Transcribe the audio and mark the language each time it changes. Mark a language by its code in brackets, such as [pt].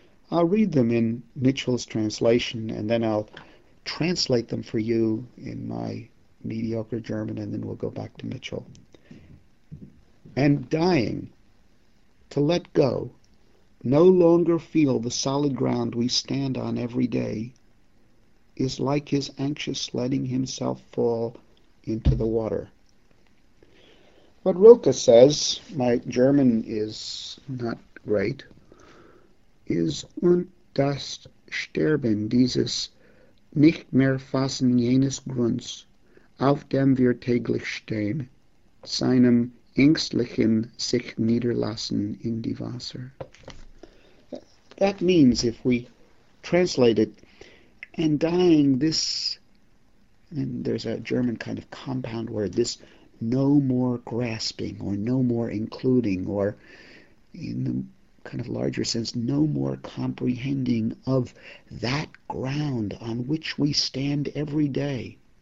[en] I'll read them in Mitchell's translation, and then I'll translate them for you in my mediocre German, and then we'll go back to Mitchell. And dying, to let go, no longer feel the solid ground we stand on every day, is like his anxious letting himself fall into the water. What Rilke says, my German is not great, is [de] Und das Sterben dieses nicht mehr fassen jenes Grunds, auf dem wir täglich stehen, seinem ängstlichen sich niederlassen in die Wasser. [en] That means, if we translate it, and dying this, and there's a German kind of compound word, this no more grasping, or no more including, or in the kind of larger sense, no more comprehending of that ground on which we stand every day.